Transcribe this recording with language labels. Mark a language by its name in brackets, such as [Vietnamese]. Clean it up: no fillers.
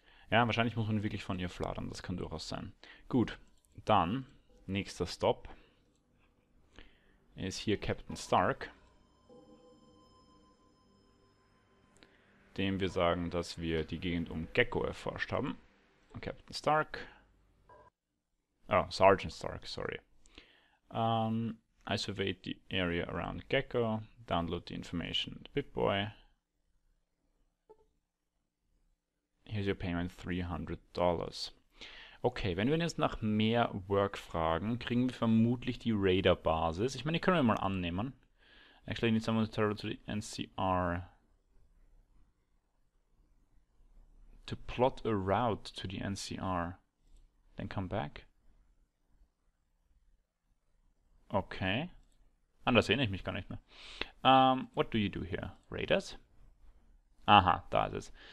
[German] Ja, wahrscheinlich muss man wirklich von ihr fladern, das kann durchaus sein. Gut, dann, nächster Stop. Ist hier Captain Stark, dem wir sagen, dass wir die Gegend um Gecko erforscht haben. [English] Captain Stark. Oh, Sergeant Stark, sorry. I surveyed the area around Gecko, download the information to BitBoy. Here's your payment, $300. [German] Okay, wenn wir jetzt nach mehr Work fragen, kriegen wir vermutlich die Raider-Basis. Ich meine, die können wir mal annehmen. [English] Actually, I need someone to travel to the NCR. To plot a route to the NCR. Then come back. [German] Okay. Anders sehe ich mich gar nicht mehr. [English] What do you do here? Raiders? [German] Aha, da ist es.